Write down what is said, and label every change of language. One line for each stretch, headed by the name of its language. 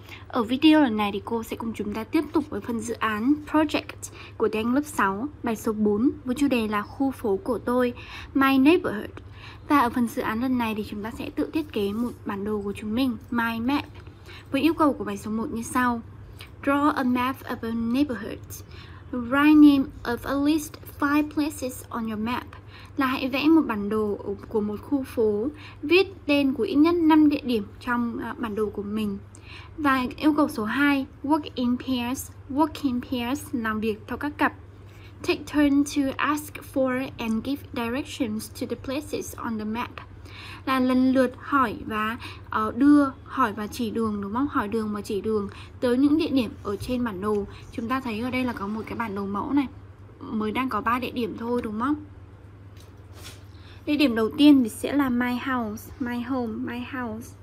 Vietnamese: Ở video lần này thì cô sẽ cùng chúng ta tiếp tục với phần dự án Project của các em lớp 6, bài số 4 với chủ đề là khu phố của tôi, My Neighborhood. Và ở phần dự án lần này thì chúng ta sẽ tự thiết kế một bản đồ của chúng mình, My Map, với yêu cầu của bài số 1 như sau.
English: Draw a map of a neighborhood. Write name of at least 5 places on your map.
Vietnamese: Là hãy vẽ một bản đồ của một khu phố, viết tên của ít nhất 5 địa điểm trong bản đồ của mình. Và yêu cầu số 2,
English: work in pairs,
Vietnamese: làm việc theo các cặp.
English: Take turn to ask for and give directions to the places on the map.
Vietnamese: Là lần lượt hỏi và hỏi và chỉ đường, đúng không? Hỏi đường và chỉ đường tới những địa điểm ở trên bản đồ. Chúng ta thấy ở đây là có một cái bản đồ mẫu này, mới đang có 3 địa điểm thôi, đúng không? Địa điểm đầu tiên thì sẽ là my home.